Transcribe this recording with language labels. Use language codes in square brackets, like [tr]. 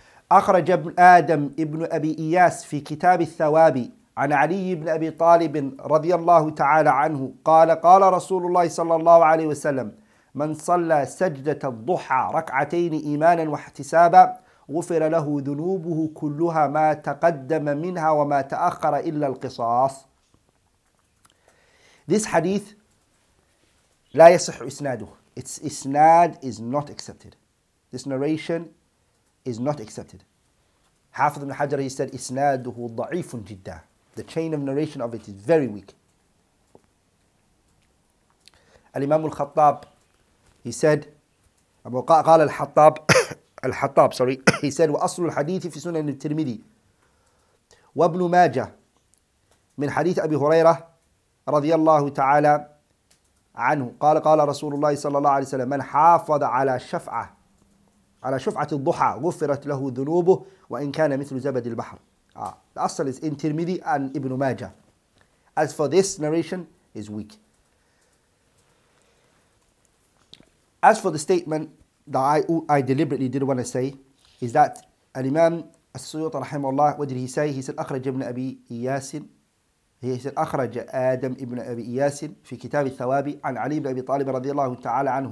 [ar] أخرج ابن آدم ابن أبي إياس في كتاب الثواب عن علي بن أبي طالب رضي الله تعالى عنه قال قال رسول الله صلى الله عليه وسلم من صلى سجدة الضحى ركعتين إيمانا واحتسابا غفر له ذنوبه كلها ما تقدم منها وما تأخر إلا القصاص. [en] This hadith [ar] لا يصح إسناده. [en] Its إسناد is not accepted. This narration is not accepted. [ar] حافظ بن حجر, [en] he said [ar] إسناده ضعيف جدا. [en] The chain of narration of it is very weak. [ar] الإمام الخطاب, [en] he said [ar] أبو قال الحطاب الحطاب [en] sorry he said [ar] وأصل الحديث في سنن الترمذي وابن ماجة من حديث أبي هريرة رضي الله تعالى عنه قال قال رسول الله صلى الله عليه وسلم من حافظ على شفعة على شفعة الضحى غفرت له ذنوبه وإن كان مثل زبد البحر. [en] The asal is in Tirmidhi and Ibn Majah. As for this narration, is weak. As for the statement that I deliberately didn't want to say, is that Al-Imam As-Suyut rahimahullah, what did he say? He said, [ar] أخرج ابن أبي ياسن. [en] He said, [ar] أخرج آدم ابن أبي ياسن في كتاب الثواب عن علي بن أبي طالب رضي الله تعالى عنه.